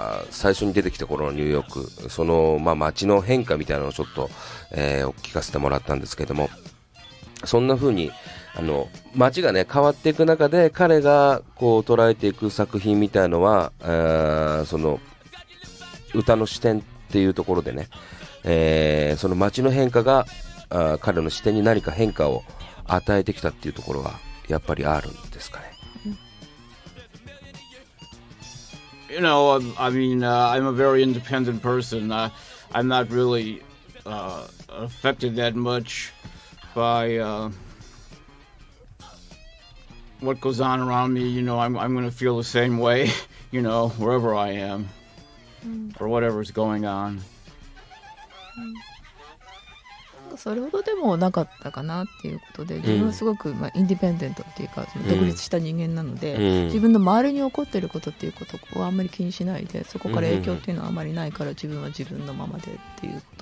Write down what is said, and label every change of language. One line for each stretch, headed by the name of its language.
Japanese: 最初に出てきた頃のニューヨーク、その、まあ、街の変化みたいなのをちょっと、お聞かせてもらったんですけども、そんな風に街がね変わっていく中で彼がこう捉えていく作品みたいのは、その歌の視点っていうところでね、その街の変化が彼の視点に何か変化を与えてきたっていうところはやっぱりあるんですかね。
English: You know, I mean, I'm a very independent person. I'm not really affected that much by what goes on around me, you know, I'm going to feel the same way, you know, wherever I am, or whatever's going on.
Japanese: それほどでもなかったかなっていうことで、自分はすごく、まあ、インディペンデントっていうか独立した人間なので、自分の周りに起こっていることっていうことをあんまり気にしないで、そこから影響っていうのはあまりないから自分は自分のままでっていうこと